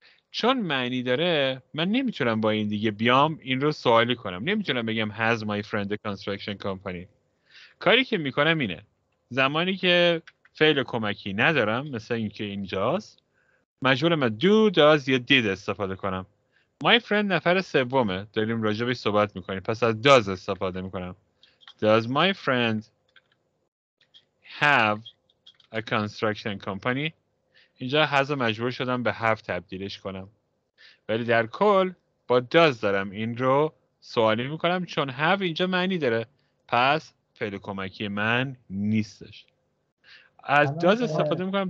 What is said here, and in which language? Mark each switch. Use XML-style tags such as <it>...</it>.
<fa>چون معنی داره من نمیتونم با این دیگه بیام این رو سوالی کنم، نمیتونم بگم</fa> <en>has my friend a construction company.</en> <fa>کاری که میکنم اینه، زمانی که فعل کمکی ندارم مثل اینکه اینجاست، مجبورم do, does یا did استفاده کنم. my friend نفر سومه، داریم راجبش صحبت میکنیم، پس از does استفاده میکنم.</fa> <en>does my friend have a construction company.</en> <fa>اینجا هز مجبور شدم به have تبدیلش کنم، ولی در کل با does دارم این رو سوالی میکنم، چون have اینجا معنی داره، پس فعل کمکی من نیستش. از does استفاده میکنم.</fa>